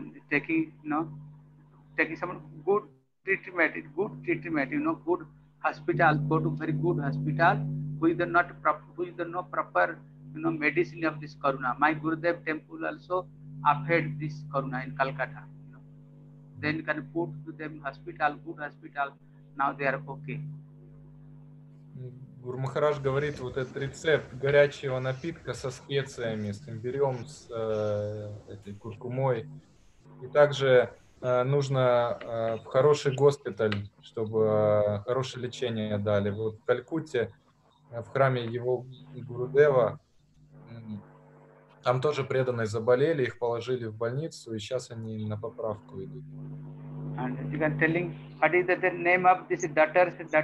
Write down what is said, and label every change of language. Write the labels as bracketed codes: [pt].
[en] taking, you know, taking some good treatment, you know, good hospital, go to very good hospital, who is the proper. You know, medicine of this corona. My Gurudev temple also affected this corona in Calcutta. You know. Then can put to them hospital, good hospital. Now they are okay. [ru] Гуру Махарадж говорит, вот этот рецепт горячего напитка со специями, с имбирем, с этой куркумой. И также нужно в хороший госпиталь, чтобы хорошее лечение дали. Вот в Калькутте, в храме его Гурудева, там тоже преданные заболели, их положили в больницу, и сейчас они на поправку идут. [en] And you can tell him, what is the name of this daughters?